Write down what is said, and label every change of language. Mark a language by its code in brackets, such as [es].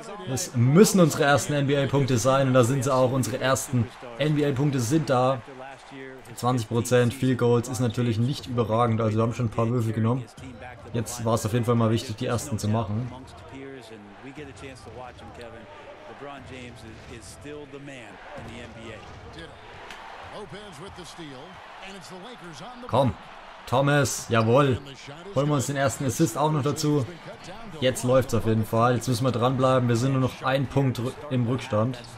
[de] Es müssen unsere ersten NBA-Punkte sein und da sind sie auch, unsere ersten NBA-Punkte sind da. 20% Field Goals ist natürlich nicht überragend, also wir haben schon ein paar Würfel genommen. Jetzt war es auf jeden Fall mal wichtig, die ersten zu machen. [en] LeBron James is still the man in the NBA. Lopez with the steal, and it's the Lakers on the [de] Komm, Thomas, jawohl. Holen wir uns den ersten Assist auch noch dazu. Jetzt läuft's auf jeden Fall. Jetzt müssen wir dranbleiben. Wir sind nur noch ein Punkt im Rückstand.